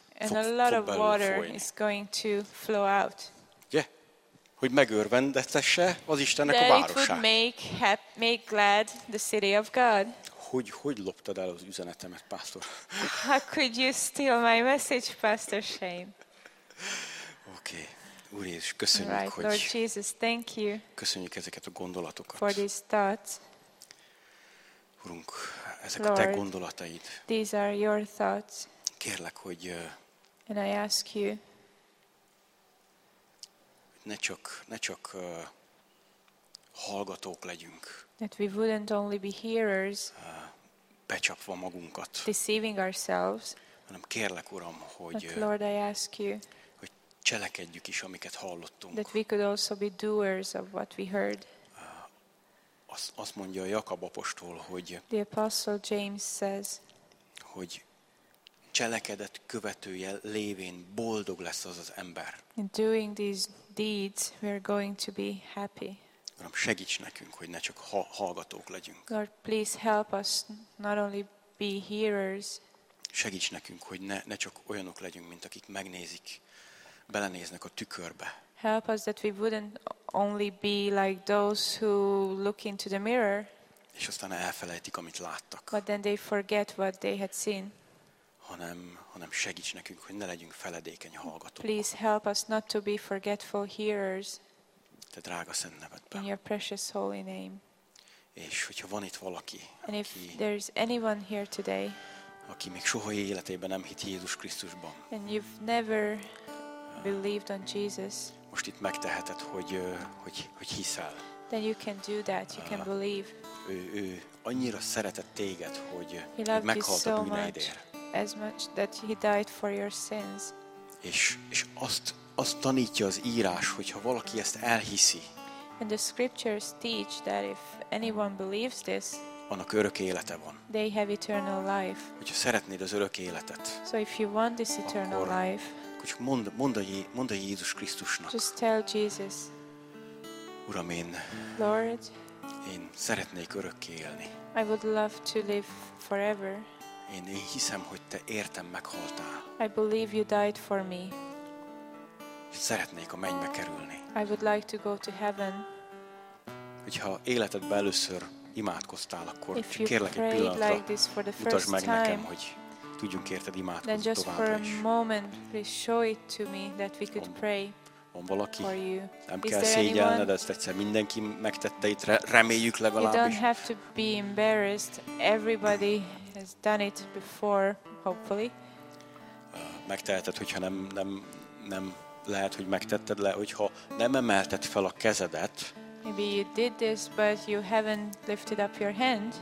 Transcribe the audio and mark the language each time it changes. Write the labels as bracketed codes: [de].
[en] and a lot of water is going to flow out. Yeah. [hu] Hogy megörvendetesse az Istennek [en] that [hu] a városát. [en] That it would make glad the city of God. [hu] Hogy loptad el az üzenetemet, pastor? [en] How could you steal my message, Pastor Shane? [hu] Okay. Úr Jézus, köszönjük, [en] right. [hu] hogy [en] Lord Jesus, thank you. [hu] Köszönjük ezeket a gondolatokat. [en] For these thoughts. [hu] Urunk, ezek Lord, a te gondolataid. [en] These are your thoughts. [hu] Kérlek, hogy [en] and I ask you. [hu] Ne csak hallgatók legyünk. [en] That we wouldn't only be hearers. [hu] Becsapva magunkat. [en] Deceiving ourselves. [hu] Hanem kérlek, Uram, hogy [en] but Lord, I ask you. [hu] Cselekedjük is, amiket hallottunk. [en] That we could also be doers of what we heard. [hu] Azt mondja a Jakab apostol, hogy [en] the Apostle James says, [hu] hogy cselekedet követője lévén boldog lesz az ember. [en] In doing these deeds, we are going to be happy. [hu] Uram, segíts nekünk, hogy ne csak hallgatók legyünk. [en] Lord, please help us not only be hearers. [hu] Segíts nekünk, hogy ne csak olyanok legyünk, mint akik megnézik, belenéznek a tükörbe. [en] Help us that we wouldn't only be like those who look into the mirror. [hu] És aztán elfelejtik, amit láttak. [en] But then they forget what they had seen. [hu] Hanem segíts nekünk, hogy ne legyünk feledékeny hallgatók. [en] Please help us not to be forgetful hearers. [hu] Te drága szent nevedben. [en] In your precious holy name. [hu] És hogyha van itt valaki, [en] and if there's anyone here today, [hu] aki még soha életében nem hitt Jézus Krisztusban, [en] and you've never believed on Jesus, [hu] most itt megteheted, hogy hiszel. [en] Then you can do that, you can believe. [hu] Ő annyira szeretett téged, hogy meghalt a bűneidért. [en] As much that he died for your sins. [hu] És azt tanítja az írás, hogyha valaki ezt elhiszi. [en] And the scriptures teach that if anyone believes this, [hu] annak örök élete van. [en] They have eternal life. [hu] Hogyha szeretnéd az örök életet, [en] so if you want this eternal life, [hu] akkor csak mondd a Jézus Krisztusnak. [en] Just tell Jesus. [hu] Uram, én. [en] Lord. [hu] Én szeretnék örökké élni. [en] I would love to live forever. [hu] Én hiszem, hogy te értem meghaltál. [en] I believe you died for me. [hu] Szeretnék a mennybe kerülni. [en] I would like to go to heaven. [hu] Hogyha életedben először imádkoztál, akkor kérlek egy pillanatra, [en] like this for the first [hu] utasd meg [en] time, [hu] nekem, hogy tudjunk érted imádkozni [en] then just [hu] továbbra [en] for a [hu] is. [en] Moment, please show it to me that we could pray. [hu] Van valaki? Nem kell szégyelned, ezt egyszer mindenki megtette itt, reméljük legalábbis. [en] You don't have to be embarrassed. Everybody has done it before, hopefully. [hu] Megteheted, hogyha nem lehet, hogy megtetted le, hogyha nem emelted fel a kezedet. [en] Maybe you did this, but you haven't lifted up your hand.